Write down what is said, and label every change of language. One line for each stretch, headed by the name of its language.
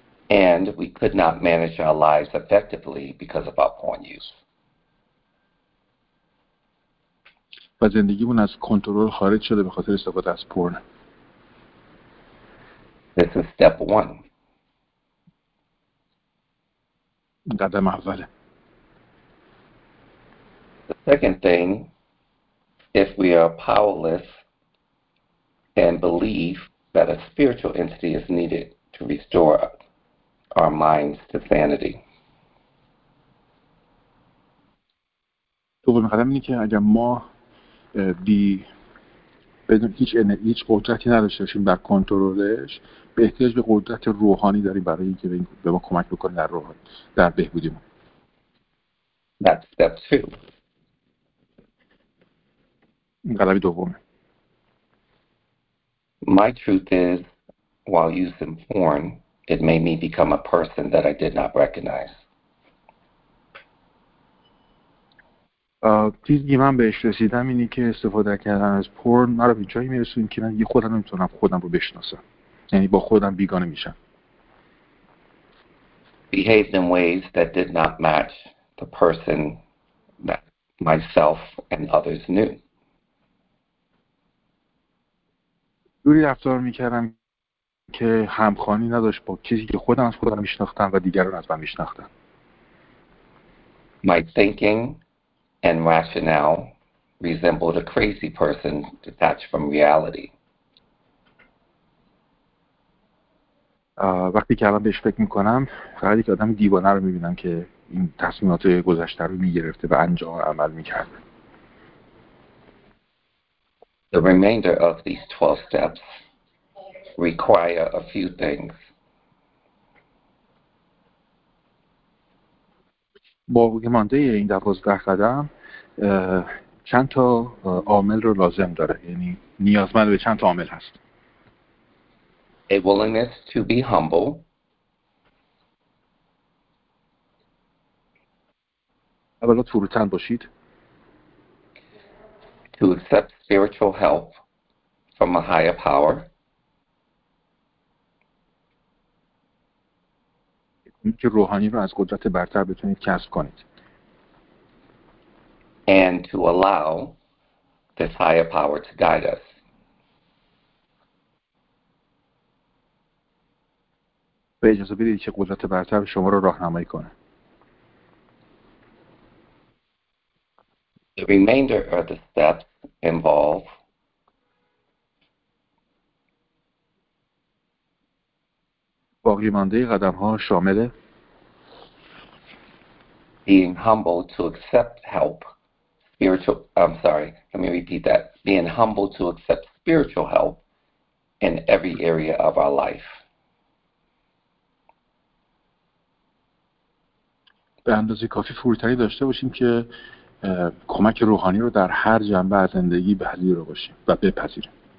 English: And we could not manage our lives effectively because of our porn use.
Persian: و زندگیمون از کنترل خارج شده به خاطر استفاده از پورن.
English: This is step one.
Persian: قدم اوله.
English: The second thing, if we are powerless and believe that a spiritual entity is needed to restore our minds to sanity.
Persian: دوباره قدم اینه که اگر ما بدون هیچ قدرتی نداشته باشیم در کنترلش، به احتیاج به قدرت روحانی داریم برای اینکه به ما کمک بکنه در روح در بهبودی ما.
English: That's step two.
Persian: قدم دومه.
English: My truth is, while using porn, it made me become a person that I did not recognize.
Persian: چیزی من بهش رسیدم اینی که استفاده کردن از پورن مرا به جایی میرسونه که من یه خودم نمیتونم خودم رو بشناسم، یعنی با خودم بیگانه میشم.
English: Behaved in ways that did not match the person that myself and others knew.
Persian: جوری رفتار میکردم که همخوانی نداشت با چیزی که خودم از خودم میشناختم و دیگران از من میشناختن.
English: My thinking and rationale resembled a crazy person detached from reality.
Persian: وقتی که الان بهش فکر میکنم فقط یک آدم دیوانه رو میبینم که این تصمیمات گذشته رو میگرفته و انجام عمل میکرد.
English: The remainder of these 12 steps require a few things.
Persian: باقی مانده این 12 قدم چند تا عامل رو لازم داره، یعنی نیازمند به چند تا عامل هست.
English: A willingness to be humble.
Persian: اولا فروتن باشید.
English: To accept spiritual help from a higher power.
Persian: که روحانی رو از قدرت برتر بتونید کسب کنید.
English: And to allow this higher power to guide us.
Persian: به اجازه بدید که قدرت برتر شما رو راهنمایی کنه.
English: The remainder of the steps involve
Persian: باقی مانده قدم ها شامل
English: being humble to accept help spiritual I'm sorry let me repeat that being humble to accept spiritual help in every area of our life.
Persian: به اندازه کافی فروتنی داشته باشیم که کمک روحانی رو در هر جنبه از زندگی پذیرا باشیم و بپذیریم.